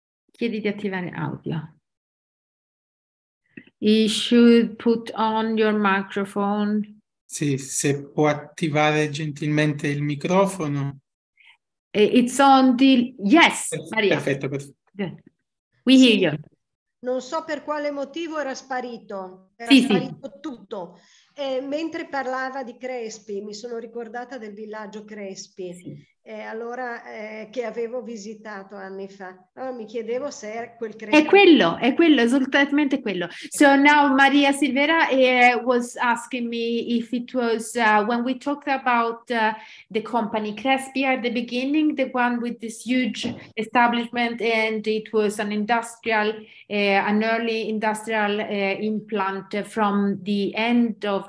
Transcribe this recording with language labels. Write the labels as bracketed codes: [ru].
[it] Chiedi di attivare audio. [en] You should put on your microphone. [it] Sì, se può attivare gentilmente il microfono. [en] It's on the... Yes, Maria. [it] Perfetto, perfetto. [en] We hear you. [it] Non so per quale motivo era sparito. Era sparito tutto. Mentre parlava di Crespi, mi sono ricordata del villaggio Crespi. Sì. Allora, che avevo visitato anni fa. Allora, mi chiedevo se era quel Crespi. È quello, esattamente quello. [en] So now Maria Silvera was asking me if it was when we talked about the company Crespi at the beginning, the one with this huge establishment, and it was an industrial, an early industrial implant from the end of